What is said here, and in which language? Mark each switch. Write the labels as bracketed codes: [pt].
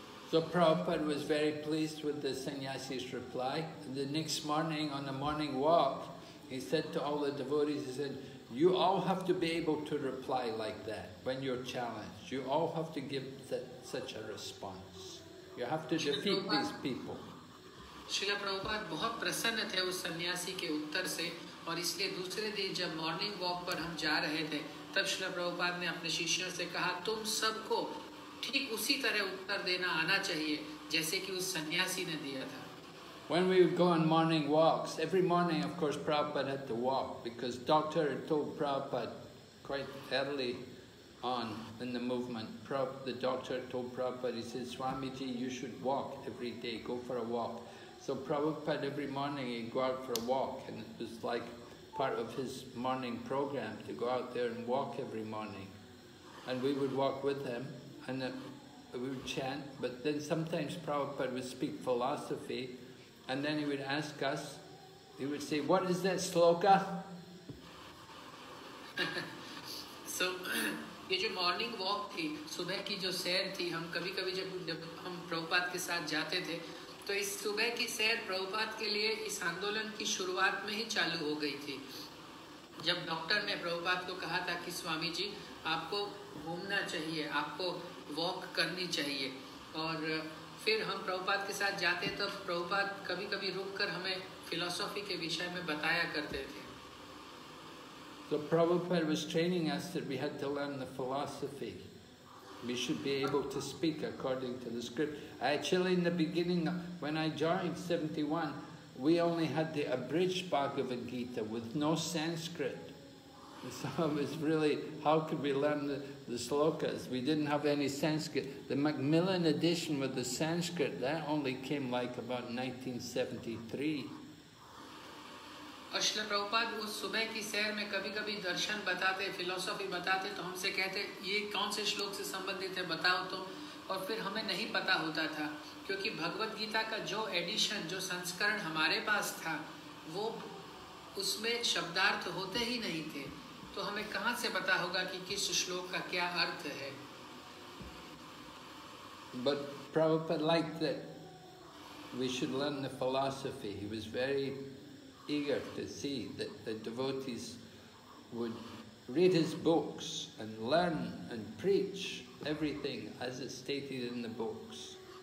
[en] So Prabhupada was very pleased with the sannyasi's reply. The next morning, on the morning walk, he said to all the devotees, he said, "You all have to be able to reply like that when you're challenged. You all have to give such a response. You have to defeat these people." [hi] Srila Prabhupada बहुत प्रसन्न थे उस sannyasi के उत्तर से और इसलिए दूसरे दिन जब morning walk पर हम जा रहे थे तब Srila Prabhupada ने अपने शिष्यों से कहा तुम सबको ठीक उसी तरह उत्तर देना आना चाहिए जैसे कि उस सन्यासी ने दिया था। [en] When we would go on morning walks, every morning, of course, Prabhupada had to walk because doctor had told Prabhupada quite early on in the movement. The doctor told Prabhupada, he said, "Swamiji, you should walk every day. Go for a walk." So Prabhupada every morning he'd go out for a walk, and it was like part of his morning program to go out there and walk every morning, and we would walk with him. And we would chant, but then sometimes Prabhupada would speak philosophy, and then he would ask us, he would say, "What is that sloka?" So, [hi] ये जो morning walk थी, सुबह की जो सैर थी, हम कभी कभी जब जब हम प्रभुपाद के साथ जाते थे तो इस सुबह की सैर प्रभुपाद के लिए इस आंदोलन की शुरुआत में ही चालू हो गई थी। जब डॉक्टर ने प्रभुपाद को कहा था कि स्वामी जी आपको घूमना चाहिए, आपको वॉक करनी चाहिए, और फिर हम प्रभुपाद के साथ जाते तो प्रभुपाद कभी कभी रुक कर हमें फिलोसॉफी के विषय में बताया करते थे। [en] So Prabhupada was training us that we had to learn the philosophy. We should be able to speak according to the script. Actually, in the beginning, when I joined 71, we only had the abridged Bhagavad Gita with no Sanskrit. So it was really, how could we learn the slokas? We didn't have any Sanskrit. The Macmillan edition with the Sanskrit, that only came like about 1973. [hi] अश्ल Prabhupada उस सुबह की सैर में कभी कभी दर्शन बताते, philosophy बताते तो हमसे कहते ये कौन से श्लोक से संबंधित है बताओ तो, और फिर हमें नहीं पता होता था क्योंकि भगवद गीता का जो एडिशन, जो संस्करण हमारे पास था वो उसमें शब्दार्थ होते ही नहीं थे, तो हमें कहाँ से पता होगा कि किस श्लोक का क्या अर्थ है। [en] But Prabhupada liked that we should learn the philosophy. He was very eager to see that the devotees would read his books and learn and preach everything as it stated in the books.